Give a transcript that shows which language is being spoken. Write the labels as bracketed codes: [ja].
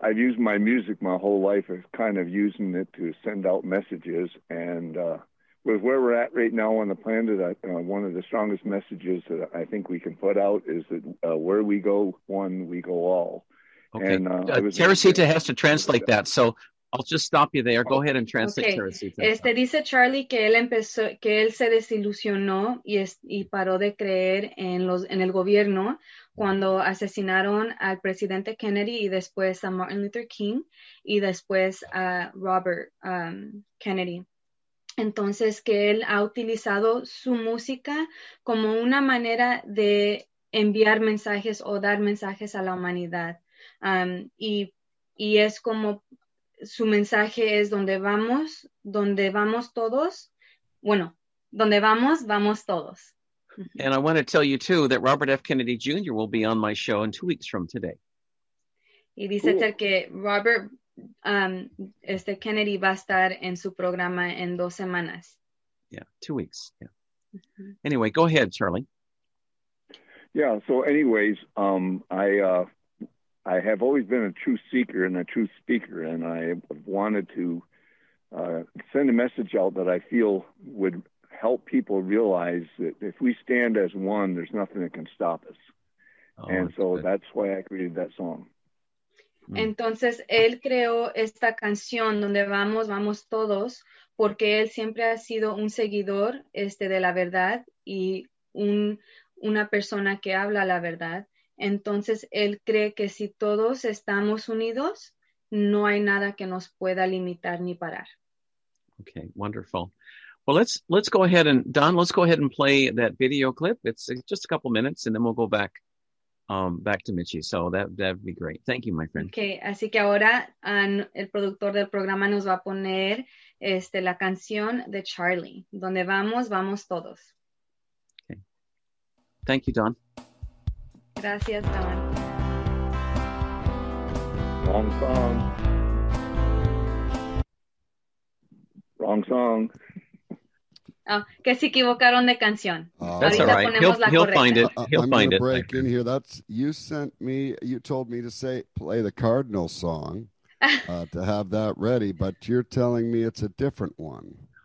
[en] I've used my music my whole life as kind of using it to send out messages. And with where we're at right now on the planet, one of the strongest messages that I think we can put out is that where we go one, we go all. Okay. And, Teresita has to translate that. So I'll just stop you there. Go ahead and translate, okay. Teresita. [es] Dice Charlie que él se desilusionó y paró de creer en el gobierno cuando asesinaron al presidente Kennedy y después a Martin Luther King y después a Robert Kennedy. Entonces, que él ha utilizado su música como una manera de enviar mensajes o dar mensajes a la humanidad. Y es como su mensaje es donde vamos todos. Bueno, donde vamos, vamos todos. [en] And I want to tell you, too, that Robert F. Kennedy Jr. will be on my show in 2 weeks from today. [es] Y dice cool. que Robert Kennedy va a estar en su programa en 2 semanas. [en] Yeah, 2 weeks. Yeah. Mm-hmm. Anyway, go ahead, Charlie. Yeah, so anyways, I have always been a true seeker and a true speaker, and I wanted to send a message out that I feel would help people realize that if we stand as one, there's nothing that can stop us. Oh, and so that's why I created that song. [es] Entonces, él creó esta canción, Donde Vamos, Vamos Todos, porque él siempre ha sido un seguidor de la verdad y una persona que habla la verdad. Entonces, él cree que si todos estamos unidos, no hay nada que nos pueda limitar ni parar. [en] Okay, wonderful. Well, let's go ahead and, Don, let's go ahead and play that video clip. It's just a couple minutes, and then we'll go back. Back to Michi. So that'd be great. Thank you, my friend. [es] Okay, así que ahora el productor del programa nos va a poner la canción de Charlie. Donde vamos, vamos todos. [en] Okay. Thank you, Don. [es] Gracias, Don. [en] Wrong song. Wrong song. [es] Oh, que se equivocaron de canción. [en] That's all right. He'll find it. He'll find it. I'm going to break in here. You told me to say, play the Cardinal song to have that ready, but you're telling me it's a different one.